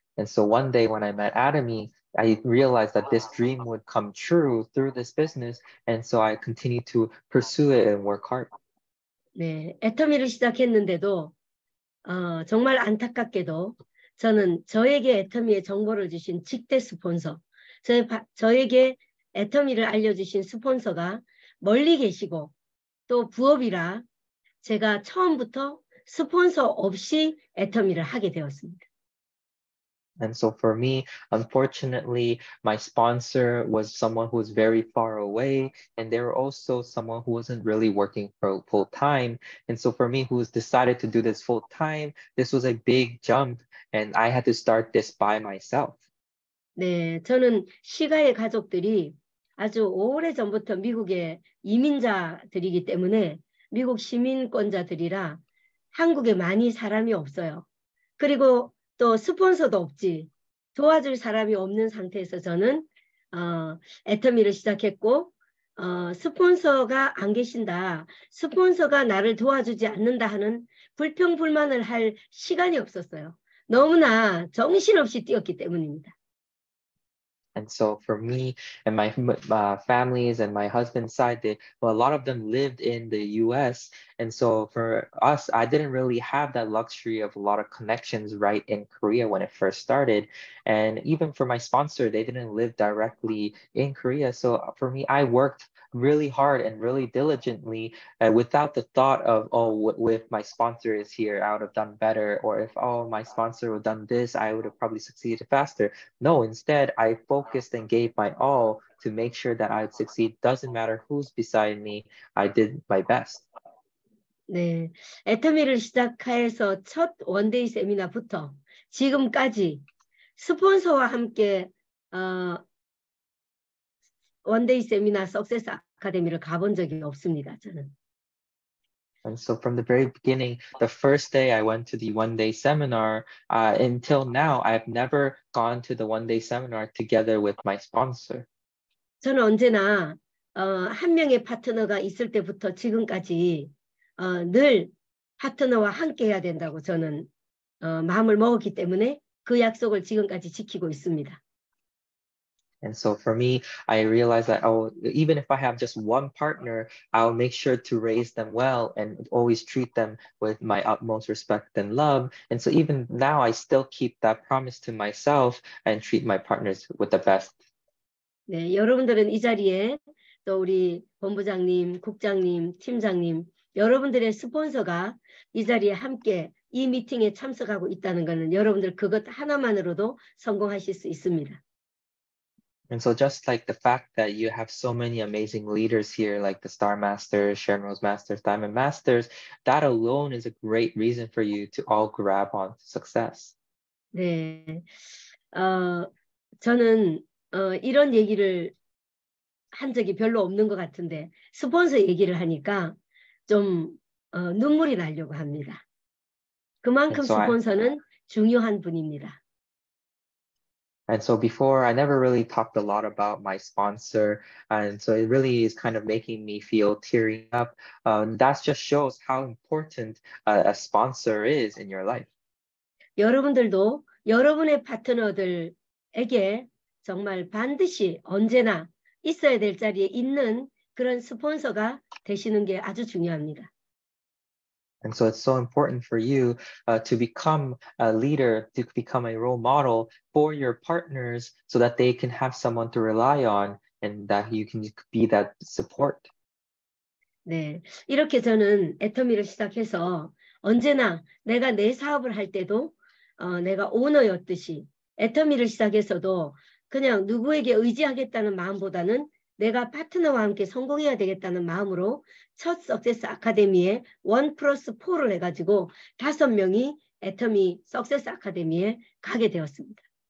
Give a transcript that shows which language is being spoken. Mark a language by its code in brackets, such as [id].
[en] And so one day when I met Atomy, I realized that this dream would come true through this business, and so I continued to pursue it and work hard. [ko] 네, 애터미를 시작했는데도 정말 안타깝게도 저는 저에게 애터미의 정보를 주신 직대 스폰서, 저에게 애터미를 알려주신 스폰서가 멀리 계시고 또 부업이라 제가 처음부터 스폰서 없이 애터미를 하게 되었습니다. [en] And so for me, unfortunately, my sponsor was someone who was very far away, and they were also someone who wasn't really working for full time. And so for me, who's decided to do this full time, this was a big jump, and I had to start this by myself. [ko] 네, 저는 시가의 가족들이 아주 오래 전부터 미국의 이민자들이기 때문에 미국 시민권자들이라 한국에 많이 사람이 없어요. 그리고 또 스폰서도 없지 도와줄 사람이 없는 상태에서 저는 애터미를 시작했고 스폰서가 안 계신다 스폰서가 나를 도와주지 않는다 하는 불평불만을 할 시간이 없었어요. 너무나 정신없이 뛰었기 때문입니다. [en] And so for me and my families and my husband's side, a lot of them lived in the U.S. And so for us, I didn't really have that luxury of a lot of connections right in Korea when it first started. And even for my sponsor, they didn't live directly in Korea. So for me, I worked really hard and really diligently without the thought of, oh, if my sponsor is here, I would have done better. Or if, oh, my sponsor would have done this, I would have probably succeeded faster. No, instead, I focused and gave my all to make sure that I'd succeed. Doesn't matter who's beside me, I did my best. [ko] 네, 애터미를 시작해서 첫 원데이 세미나부터 지금까지 스폰서와 함께 원데이 세미나 석세스 아카데미를 가본 적이 없습니다. 저는 [en] And so from the very beginning, the first day I went to the one-day seminar, until now, I've never gone to the one-day seminar together with my sponsor. [ko] 저는 언제나 한 명의 파트너가 있을 때부터 지금까지 늘 파트너와 함께 해야 된다고 저는 마음을 먹었기 때문에 그 약속을 지금까지 지키고 있습니다. [en] And so for me, I realized that even if I have just one partner, I'll make sure to raise them well and always treat them with my utmost respect and love. And so even now, I still keep that promise to myself and treat my partners with the best. [ko] 네, 여러분들은 이 자리에 또 우리 본부장님, 국장님, 팀장님, 여러분들의 스폰서가 이 자리에 함께 이 미팅에 참석하고 있다는 것은 여러분들 그것 하나만으로도 성공하실 수 있습니다. [en] And so just like the fact that you have so many amazing leaders here, like the Star Masters, Sharon Rose Masters, Diamond Masters, that alone is a great reason for you to all grab on to success. [ko] 네, 저는 이런 얘기를 한 적이 별로 없는 것 같은데 스폰서 얘기를 하니까 좀 눈물이 나려고 합니다. 그만큼 so 스폰서는 중요한 분입니다. [en] And so before, I never really talked a lot about my sponsor. And so it really is kind of making me feel tearing up. That just shows how important a sponsor is in your life. [ko] 여러분들도 여러분의 파트너들에게 정말 반드시 언제나 있어야 될 자리에 있는 그런 스폰서가 되시는 게 아주 중요합니다. [en] And so it's so important for you to become a leader, to become a role model for your partners so that they can have someone to rely on and that you can be that support. [ko] 네, 이렇게 저는 애터미를 시작해서 언제나 내가 내 사업을 할 때도 내가 오너였듯이 애터미를 시작해서도 그냥 누구에게 의지하겠다는 마음보다는 내가 파트너와 함께 성공해야 되겠다는 마음으로 첫 석세스 아카데미에 1 플러스 4를 해가지고 5명이 애터미 석세스 아카데미에 가게 되었습니다.